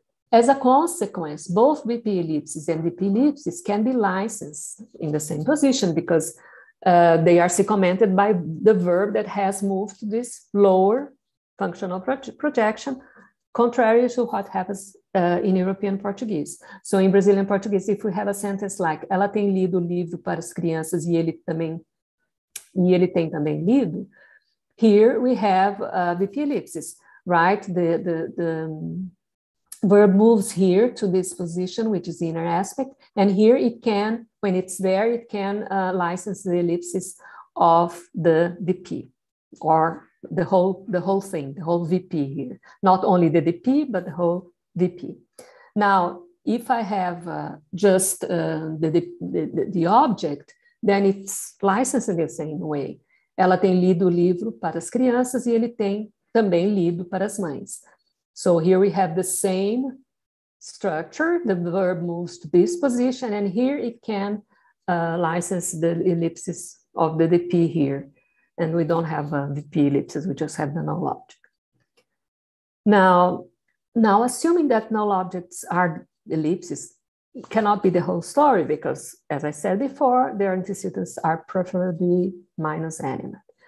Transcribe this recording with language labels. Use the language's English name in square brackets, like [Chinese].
[English] As a consequence, both VP ellipses and VP ellipses can be licensed in the same position because they are segmented by the verb that has moved to this lower functional projection, contrary to what happens in European Portuguese. So in Brazilian Portuguese, if we have a sentence like [Portuguese] ela tem lido livro para as crianças e ele tem também lido, [English] here we have VP ellipsis, right? The verb moves here to this position, which is the inner aspect, and here it can, when it's there, it can license the ellipsis of the VP or the whole VP here, not only the DP, but the whole VP. Now, if I have just the object, then it's licensed in the same way. [Portuguese] Ela tem lido o livro para as crianças e ele tem também lido para as mães. [English] So here we have the same structure. The verb moves to this position, and here it can license the ellipsis of the DP here. And we don't have VP ellipses, we just have the null object. Now, assuming that null objects are ellipses, cannot be the whole story because, as I said before, their antecedents are preferably minus animate.